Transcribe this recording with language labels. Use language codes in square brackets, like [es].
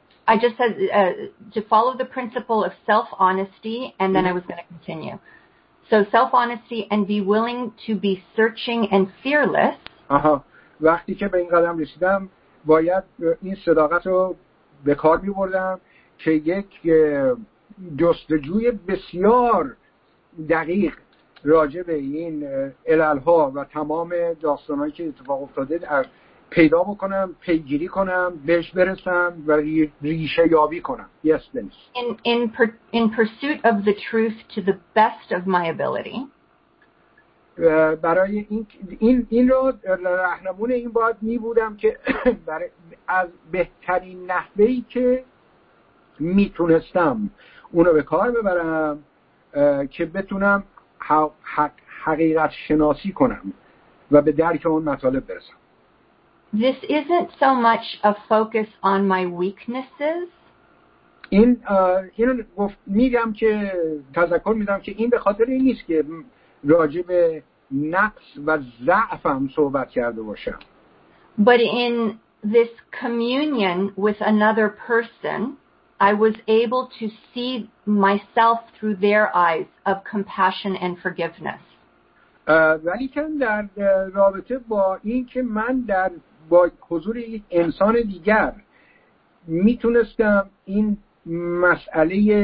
[en] I just said to follow the principle of self-honesty and then I was going to continue. So self-honesty and be willing to be searching and fearless. آها. [fa] وقتی که به این قدم رسیدم باید این صداقت رو به کار می بردم که یک جستجوی بسیار دقیق راجع به این علل‌ها و تمام داستانهایی که اتفاق افتاده پیدا بکنم, پیگیری کنم, بهش برسم و ریشه یابی کنم. [en] Yes, Dennis. In pursuit of the truth to the best of my ability. [fa] برای این رو رهنمون این باید می بودم که برای از بهترین نحوهی که می تونستم اونو به کار ببرم که بتونم حقیقت شناسی کنم و به درک اون مطالب برسم. [en] This isn't so much a focus on my weaknesses. [fa] این اینو گفت میگم که تذکر میدم که این به خاطر این نیست که راجع به نقص و ضعفم صحبت کرده باشم. [en] But in this communion with another person, I was able to see myself through their eyes of compassion and forgiveness. [fa] ولی که در رابطه با این که من در با حضور یک انسان دیگر میتونستم این مسئله